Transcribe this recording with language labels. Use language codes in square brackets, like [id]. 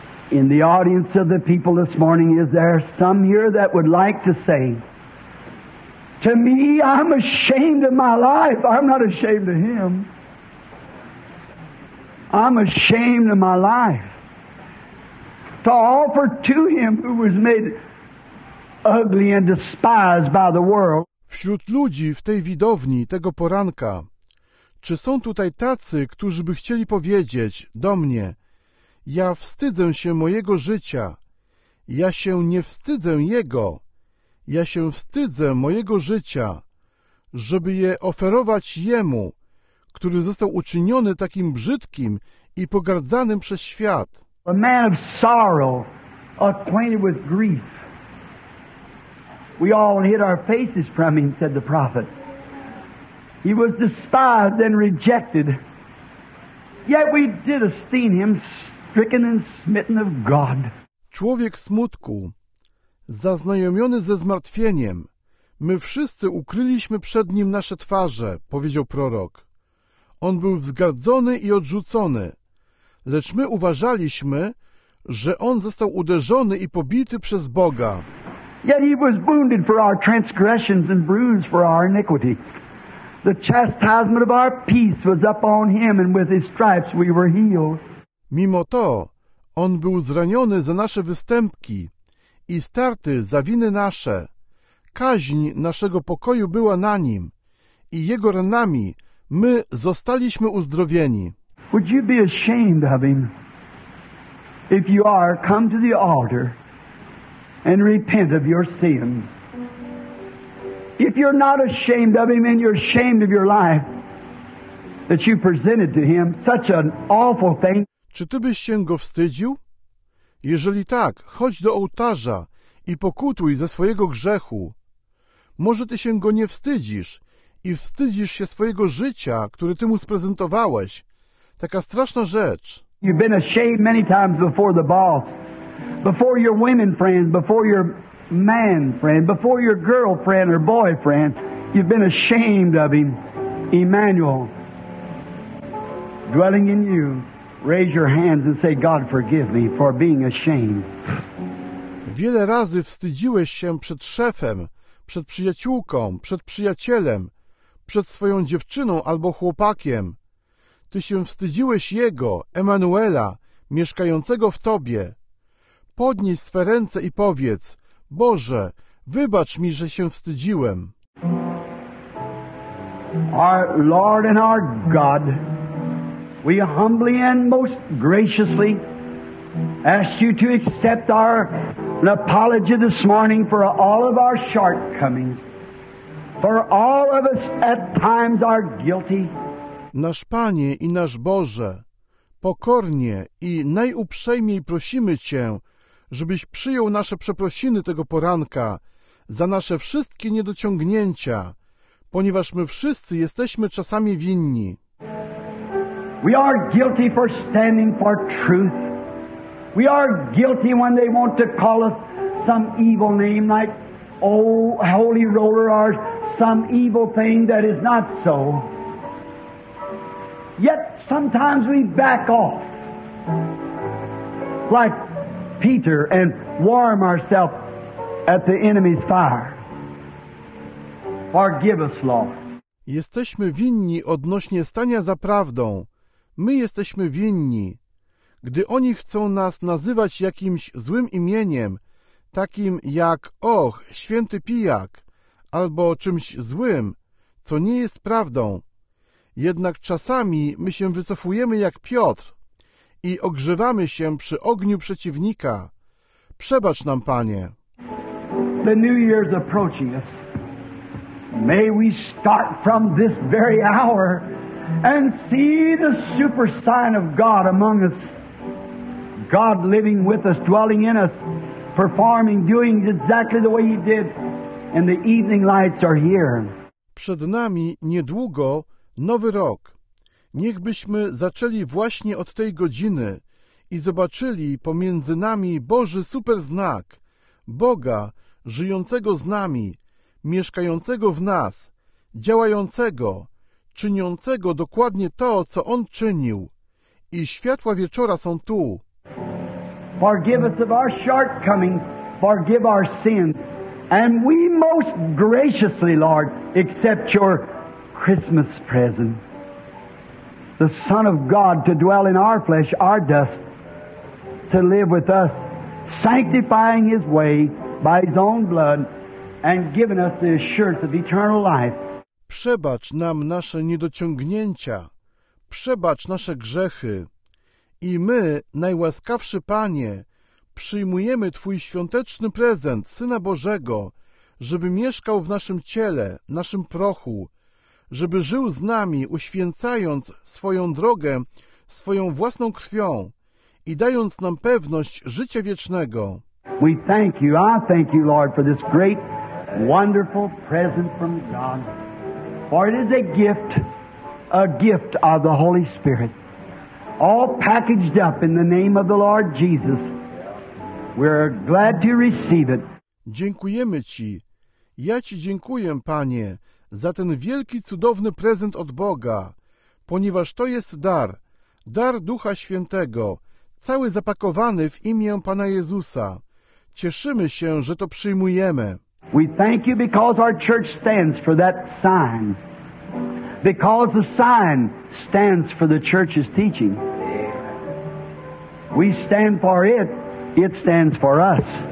[en] In the audience of the people this morning, is there some here that would like to say, to me, I'm ashamed of my life. I'm not ashamed of him. I'm ashamed of my life. To offer to him who was made ugly and despised by the world. [pl] Wśród ludzi w tej widowni tego poranka, czy są tutaj tacy, którzy by chcieli powiedzieć do mnie: ja wstydzę się mojego życia. Ja się nie wstydzę jego. Ja się wstydzę mojego życia, żeby je oferować jemu, który został uczyniony takim brzydkim i pogardzanym przez świat. [en] A man of sorrow, acquainted with grief. We all hid our faces from him, said the prophet. He was despised and rejected. Yet we did esteem him, stricken and smitten of God. [pl] Człowiek smutku, zaznajomiony ze zmartwieniem, my wszyscy ukryliśmy przed nim nasze twarze, powiedział prorok. On był wzgardzony i odrzucony, lecz my uważaliśmy, że on został uderzony i pobity przez Boga. [en] Yet he was wounded for our transgressions and bruised for our iniquity. The chastisement of our peace was upon him, and with his stripes we were healed. [pl] Mimo to, on był zraniony za nasze występki i starty za winy nasze. Kaźń naszego pokoju była na nim i jego ranami my zostaliśmy uzdrowieni. [en] Would you be ashamed of him? If you are, come to the altar and repent of your sins. If you're not ashamed of him and you're ashamed of your life that you presented to him, such an awful thing. [pl] Czy ty byś się go wstydził? Jeżeli tak, chodź do ołtarza i pokutuj ze swojego grzechu. Może ty się go nie wstydzisz i wstydzisz się swojego życia, które ty mu sprezentowałeś. Taka straszna rzecz. [en] You've been ashamed many times before the boss, before your women friends, before your man friend, before your girlfriend or boyfriend. You've been ashamed of him. Emmanuel, dwelling in you, raise your hands and say, God, forgive me for being ashamed. [pl] Wiele razy wstydziłeś się przed szefem, przed przyjaciółką, przed przyjacielem, przed swoją dziewczyną albo chłopakiem. Ty się wstydziłeś jego, Emanuela, mieszkającego w tobie. Podnieś swe ręce i powiedz: Boże, wybacz mi, że się wstydziłem. [en] Our Lord and our God, we humbly and most graciously ask you to accept our an apology this morning for all of our shortcomings. For all of us at times are guilty. [pl] Nasz Panie i nasz Boże, pokornie i najuprzejmiej prosimy Cię, żebyś przyjął nasze przeprosiny tego poranka za nasze wszystkie niedociągnięcia, ponieważ my wszyscy jesteśmy czasami winni. [en] We are guilty for standing for truth. We are guilty when they want to call us some evil name like holy roller or some evil thing that is not so. Yet sometimes we back off like Peter and warm ourselves at the enemy's fire. Forgive us, Lord. [pl] Jesteśmy winni odnośnie stania za prawdą. My jesteśmy winni. Gdy oni chcą nas nazywać jakimś złym imieniem, takim jak, och, święty pijak, albo czymś złym, co nie jest prawdą. Jednak czasami my się wycofujemy jak Piotr i ogrzewamy się przy ogniu przeciwnika. Przebacz nam, Panie. [en] The New Year's approaching us. May we start from this very hour and see the super sign of God among us. God living with us, dwelling in us, performing, doing exactly the way He did, and the evening lights are here. [pl] Przed nami niedługo nowy rok. Niechbyśmy zaczęli właśnie od tej godziny i zobaczyli pomiędzy nami Boży super znak, Boga żyjącego z nami, mieszkającego w nas, działającego, czyniącego dokładnie to, co On czynił. I światła wieczora są tu. [en] Forgive us of our shortcomings, forgive our sins, and we most graciously, Lord, accept your Christmas present. The Son of God to dwell in our flesh, our dust, to live with us, sanctifying His way by His own blood and giving us the assurance of eternal life. [pl] Przebacz nam nasze niedociągnięcia, przebacz nasze grzechy. I my, najłaskawszy Panie, przyjmujemy Twój świąteczny prezent, Syna Bożego, żeby mieszkał w naszym ciele, naszym prochu, żeby żył z nami, uświęcając swoją drogę, swoją własną krwią i dając nam pewność życia wiecznego. [en] We thank you, I thank you, Lord, for this great, wonderful present from God. For it is a gift of the Holy Spirit. All packaged up in the name of the Lord Jesus. We're glad to receive it. [pl] Dziękujemy Ci. Ja Ci dziękuję, Panie, za ten wielki, cudowny prezent od Boga, ponieważ to jest dar, dar Ducha Świętego, cały zapakowany w imię Pana Jezusa. Cieszymy się, że to przyjmujemy. [en] We thank you because our church stands for that sign. Because the sign stands for the church's teaching. We stand for it, it stands for us.